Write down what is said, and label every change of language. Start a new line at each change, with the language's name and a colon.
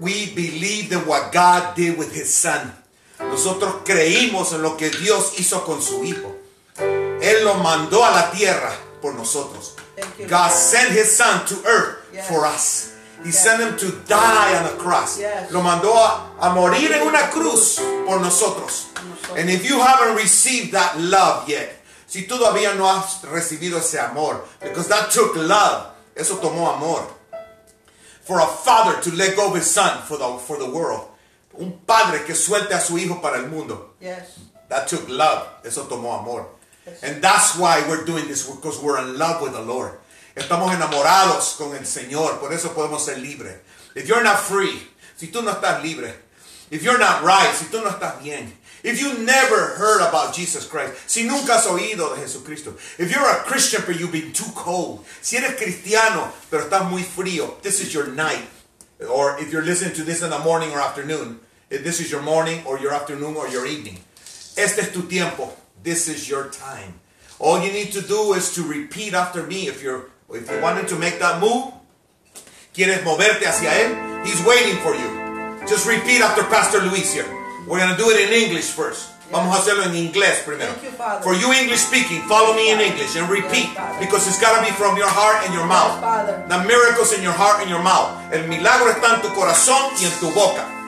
English: We believed in what God did with his son.
Spanish: Nosotros creímos en lo que Dios hizo con su hijo. Él lo mandó a la tierra por nosotros.
English: God sent his son to earth for us. He sent him to die on the cross.
Spanish: Lo mandó a morir en una cruz por nosotros.
English: And if you haven't received that love yet,
Spanish: si todavía no has recibido ese amor,
English: because that took love,
Spanish: eso tomó amor.
English: For a father to let go of his son for the world.
Spanish: Un padre que suelte a su hijo para el mundo.
English: Yes. That took love,
Spanish: eso tomó amor.
English: Yes. And that's why we're doing this, because we're in love with the Lord.
Spanish: Estamos enamorados con el Señor, por eso podemos ser libres.
English: If you're not free,
Spanish: si tú no estás libre.
English: If you're not right,
Spanish: si tú no estás bien.
English: If you never heard about Jesus Christ,
Spanish: si nunca has oído de Jesucristo,
English: if you're a Christian but you've been too cold,
Spanish: si eres cristiano pero estás muy frío,
English: this is your night. Or if you're listening to this in the morning or afternoon, if this is your morning or your afternoon or your evening,
Spanish: este es tu tiempo,
English: this is your time. All you need to do is to repeat after me if you wanted to make that move,
Spanish: quieres moverte hacia él,
English: he's waiting for you. Just repeat after Pastor Luis here. We're going to do it in English first.
Spanish: Yes. Vamos a hacerlo en inglés primero.
English: Thank you, Father. For you English speaking, follow me in English and repeat. Yes, Father. Because it's got to be from your heart and your mouth. Yes, Father. The miracle's in your heart and your mouth.
Spanish: El milagro está en tu corazón y en tu boca.